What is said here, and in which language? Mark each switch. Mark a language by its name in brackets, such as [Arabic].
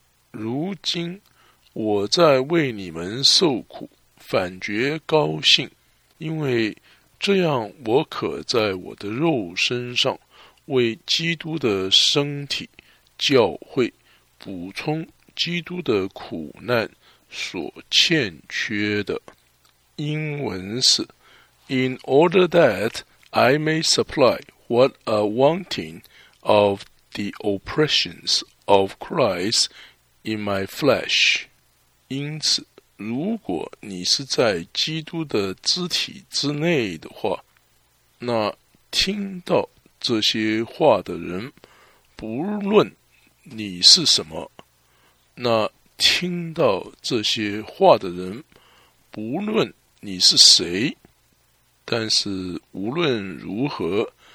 [Chinese] 如今我在为你们受苦反觉高兴，因为这样我可在我的肉身上为基督的身体教会补充基督的苦难所欠缺的。英文是 [English] In order that I may supply what are wanting of the oppressions of Christ in my flesh。 [Chinese] 因此如果你是在基督的肢体之内的话，那听到这些话的人，不论你是什么，那听到这些话的人，不论你是谁，但是无论如何，